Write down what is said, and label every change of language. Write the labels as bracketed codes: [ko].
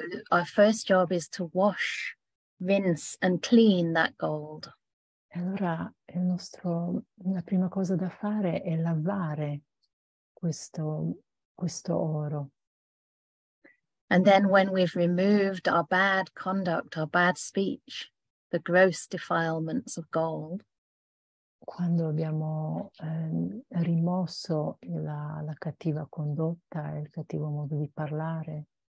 [en] Our first job is to wash, rinse and clean that gold. [it] Allora la prima cosa da fare è lavare questo oro. [en] And then when we've removed our bad conduct, our bad speech, the gross defilements of gold. [it] Quando abbiamo rimosso la cattiva condotta e il cattivo modo di parlare.